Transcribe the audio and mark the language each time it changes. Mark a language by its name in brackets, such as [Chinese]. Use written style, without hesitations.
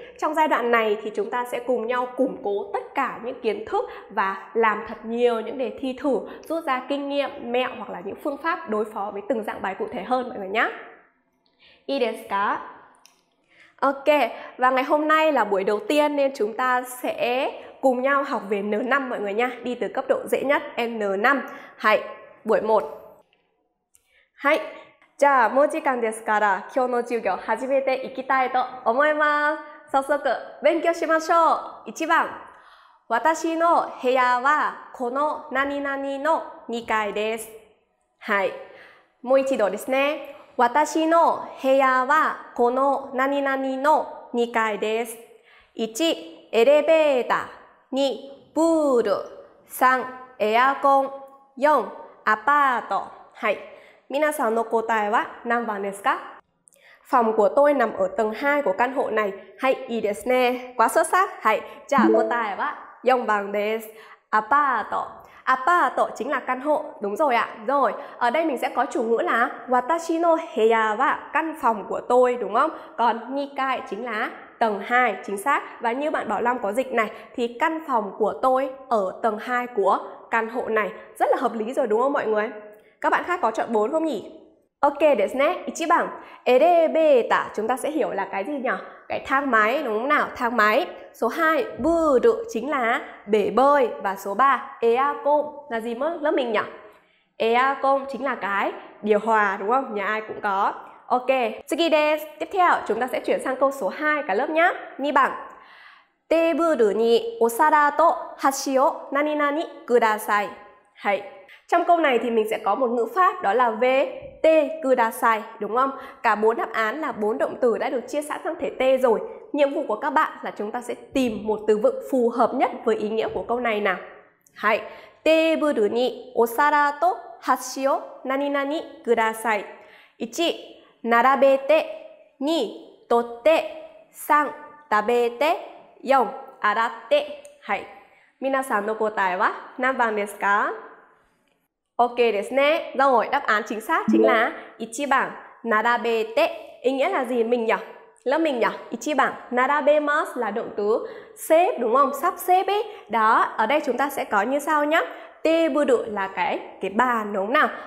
[Vietnamese] Trong giai đoạn này thì chúng ta sẽ cùng nhau củng cố tất cả những kiến thức và làm thật nhiều những đề thi thử, rút ra kinh nghiệm, mẹo hoặc là những phương pháp đối phó với từng dạng bài cụ thể hơn mọi người nhé. [Japanese] Ii desu ka? [Vietnamese] Ok, và ngày hôm nay là buổi đầu tiên nên chúng ta sẽ cùng nhau học về N5 mọi người nha. Đi từ cấp độ dễ nhất, N5. Hãy, buổi 1. [Japanese] Hãy, じゃあもう時間ですから今日の授業始めていきたいと思います。早速勉強しましょう。1番。私の部屋はこの何々の2階です。はい。もう一度ですね。私の部屋はこの何々の2階です。 1、エレベーター。2、プール。 3、エアコン。4、アパート。はい。皆さんの答えは何番ですか？ [Vietnamese] Phòng của tôi nằm ở tầng 2 của căn hộ này. [Japanese] はい、いいですね。 [Vietnamese] Quá xuất sắc. [Japanese] はい。じゃあ答えは4番です。アパート。 [Vietnamese] アパート chính là căn hộ. Đúng rồi ạ. Rồi, ở đây mình sẽ có chủ ngữ là [Japanese] 私の部屋は [Vietnamese] căn phòng của tôi, đúng không? Còn 2階 chính là tầng 2, chính xác. Và như bạn Bảo Long có dịch này, thì căn phòng của tôi ở tầng 2 của căn hộ này. Rất là hợp lý rồi, đúng không mọi người? Các bạn khác có chọn 4 không nhỉ? [Japanese] Ok ですね. [Vietnamese] 1番, elevator, chúng ta sẽ hiểu là cái gì nhỉ? Cái thang máy, đúng không nào? Thang máy. Số 2, bơi chính là bể bơi. Và số 3, aircon là gì mất lớp mình nhỉ? Aircon chính là cái điều hòa, đúng không? Nhà ai cũng có. Ok, [Japanese] tsugi desu. [Vietnamese] Tiếp theo, chúng ta sẽ chuyển sang câu số 2 cả lớp nhé. [Japanese] 2 番, table にお皿と箸を何々ください. Hay. [Vietnamese] Trong câu này thì mình sẽ có một ngữ pháp đó là về T, kudasai, đúng không? Cả bốn đáp án là bốn động từ đã được chia sẵn sang thể T rồi. Nhiệm vụ của các bạn là chúng ta sẽ tìm một từ vựng phù hợp nhất với ý nghĩa của câu này nào. [Japanese] Hãy, table ni osara to hashi o naninani kudasai. 1, narabete. 2, totte. 3, tabete. 4, aratte. Hãy, 皆さんの答えは何番ですか? Ok ですね. [Vietnamese] Rồi, đáp án chính xác chính là 1 番, narabete. Ý nghĩa là gì mình nhỉ? Lớp mình nhỉ? 1 番, narabemasu là động từ xếp, đúng không? Sắp xếp ấy. Đó, ở đây chúng ta sẽ có như sau nhé. Teburu là cái bàn, đúng không nào?